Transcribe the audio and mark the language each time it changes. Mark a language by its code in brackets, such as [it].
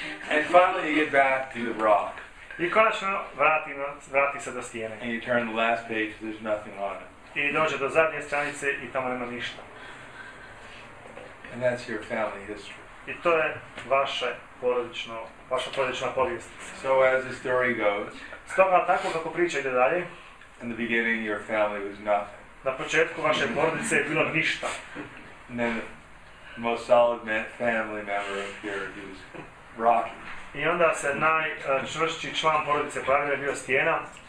[en] And finally you get back to the rock. [bs] I konačno vrati se do stijene. [en] And you turn the last page, there's nothing on it. [bs] I dođe do zadnje stranice i tamo nema ništa. [en] And that's your family history. [bs] I to je vaša porodična povijest. [en] So as the story goes. [bs] Stoga tako kako priča ide dalje. [en] In the beginning your family was nothing. [bs] Na početku vaše porodice je bilo ništa. [en] And then the most solid family member appeared, he was rocky. [bs] I onda se najčvršći član porodice pojavio, je bio stijena.